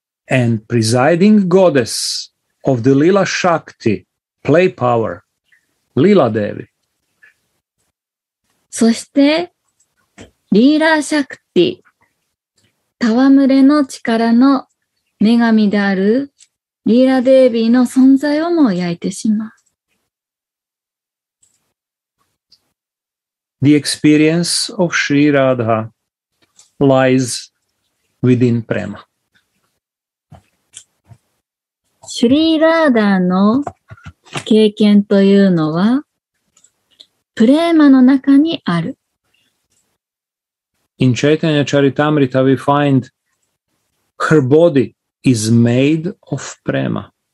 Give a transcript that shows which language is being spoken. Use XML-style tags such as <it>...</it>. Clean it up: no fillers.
<en>And presiding goddess of the Lila Shakti, play power, Lila Devi.</en> <ja>そして、リーラーシャクティ、戯れの力の女神であるリーラデイビーの存在をも焼いてしまう。</ja> <en>The experience of Sri Radha lies within Prema.</en> <ja>シュリーラーダーの経験というのは、プレーマの中にある。</ja> <en>In Chaitanya Charitamrita we find her body is made of prema.</en>